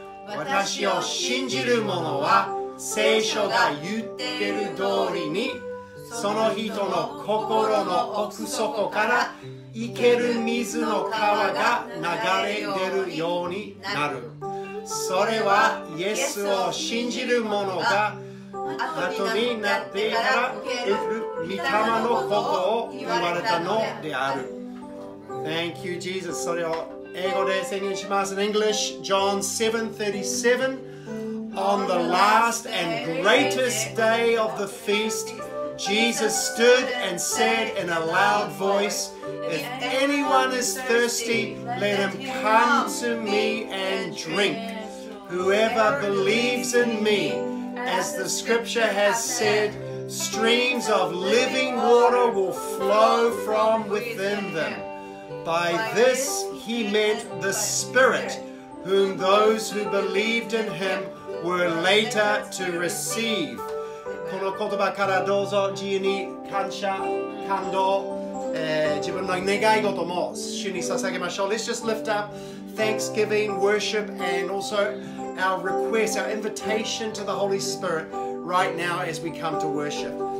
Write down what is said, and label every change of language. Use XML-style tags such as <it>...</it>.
<ja>私を信じる者は聖書が言っている通りに、その人の心の奥底から生ける水の川が流れ出るようになる。それはイエスを信じる者が後になってから受ける御霊のことを言われたのである。</ja> <en>Thank you, Jesus.</en> <ja>それを英語で宣言します。</ja> <en>In English, John 7:37, on the last and greatest day of the feast, Jesus stood and said in a loud voice, If anyone is thirsty, let him come to me and drink. Whoever believes in me, as the scripture has said, streams of living water will flow from within them. By this he meant the Spirit, whom those who believed in him were later to receive.</en> <ja>この言葉からどうぞ自由に感謝、感動、自分の願い事も主に捧げましょう。</ja> <en>Let's just lift up thanksgiving, worship, and also our request, our invitation to the Holy Spirit right now as we come to worship.</en>